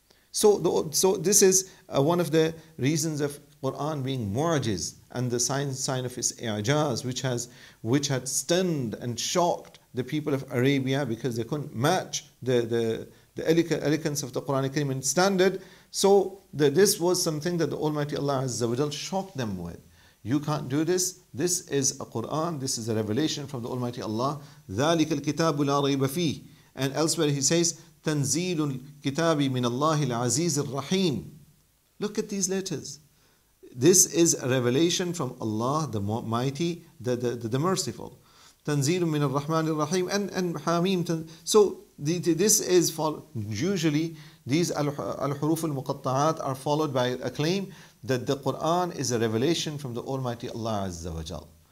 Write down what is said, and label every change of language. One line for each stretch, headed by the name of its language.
English: So this is one of the reasons of Qur'an being mu'ajiz and the sign of its i'jaz, which had stunned and shocked the people of Arabia because they couldn't match the elegance of the Qur'an al-Karim in standard. So this was something that the Almighty Allah Azza wa Jal shocked them with. You can't do this. This is a Qur'an. This is a revelation from the Almighty Allah.
Arabic: ذَلِكَ الْكِتَابُ لَا رَيْبَ فِيهِ. And elsewhere he says, تَنْزِيلُ الْكِتَابِ مِنَ اللَّهِ الْعَزِيزِ الرَّحِيمِ.
English: Look at these letters. This is a revelation from Allah, the Mighty, the Merciful.
Arabic: تَنْزِيلُ مِنَ الرَّحْمَنِ الرَّحِيمِ. And حَامِيمُ.
English: So this is followed. Usually these al-huruf al-muqatta'at are followed by a claim that the Qur'an is a revelation from the Almighty Allah Azza wa Jal.